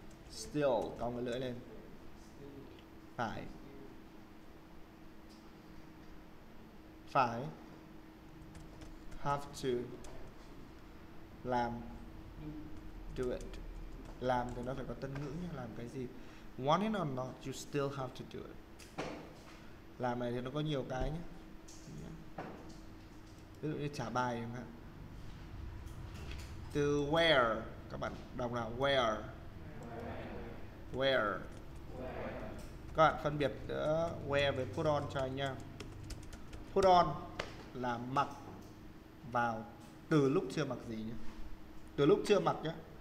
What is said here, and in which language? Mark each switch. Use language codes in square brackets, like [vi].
[vi] Still, cong cái lưỡi lên. Phải. Phải. [en] Have to. [vi] Làm. [en] Do it. [vi] Làm thì nó phải có tân ngữ nhé. Làm cái gì? [en] Want it or not, you still have to do it. [vi] Làm này thì nó có nhiều cái nhé. Ví dụ như trả bài chẳng hạn. Từ where, các bạn đọc nào, where. Where. Các bạn phân biệt giữa where với put on cho anh nha. Put on là mặc vào từ lúc chưa mặc gì nhé. Từ lúc chưa mặc nhé.